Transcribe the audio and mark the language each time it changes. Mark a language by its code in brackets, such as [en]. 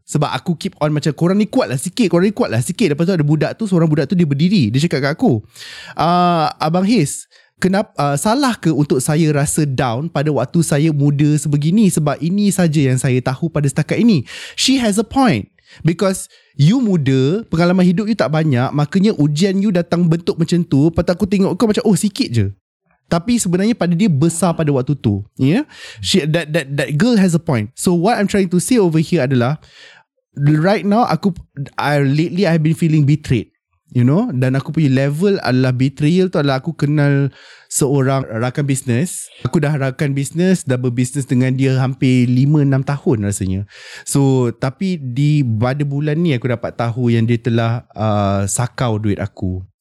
[ms] Sebab aku [en] keep on [ms] macam, korang ni kuat lah sikit, korang ni kuat lah sikit. Lepas tu ada budak tu, seorang budak tu dia berdiri, dia cakap kat aku, Abang His, kenapa, salah ke untuk saya rasa down pada waktu saya muda sebegini? Sebab ini saja yang saya tahu pada setakat ini. [en] She has a point. Because you [ms] muda, pengalaman hidup you tak banyak, makanya ujian you datang bentuk macam tu. Lepas aku tengok kau macam, oh sikit je. Tapi sebenarnya pada dia besar pada waktu tu. [en] Yeah? That girl has a point. So what I'm trying to say over here [ms] adalah, [en] right now aku, lately I have been feeling betrayed. You know, [ms] dan aku punya level adalah betrayal tu adalah aku kenal seorang rakan bisnes. Aku dah rakan bisnes, dah berbisnes dengan dia hampir 5-6 tahun rasanya. So, tapi di pada bulan ni aku dapat tahu yang dia telah sakau duit aku.